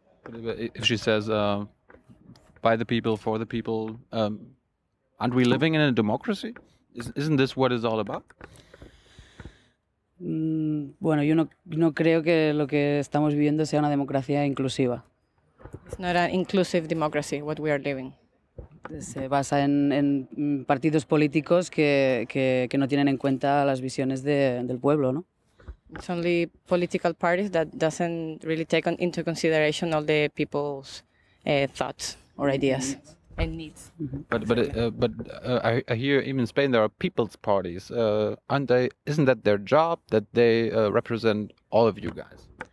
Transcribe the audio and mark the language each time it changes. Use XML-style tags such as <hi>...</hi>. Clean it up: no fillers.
<en>If she says by the people, for the people, aren't we living in a democracy? Isn't this what it's all about?</en> <es>Bueno, yo no creo que lo que estamos viviendo sea una democracia inclusiva.</es> <en>It's not an inclusive democracy, what we are living.</en> <es>Se basa en partidos políticos que no tienen en cuenta las visiones del pueblo, ¿no?</es> <en>It's only political parties that doesn't really take into consideration all the people's thoughts or ideas. Mm-hmm. And needs. Mm-hmm. But I hear even in Spain there are people's parties. Isn't that their job, that they represent all of you guys?</en>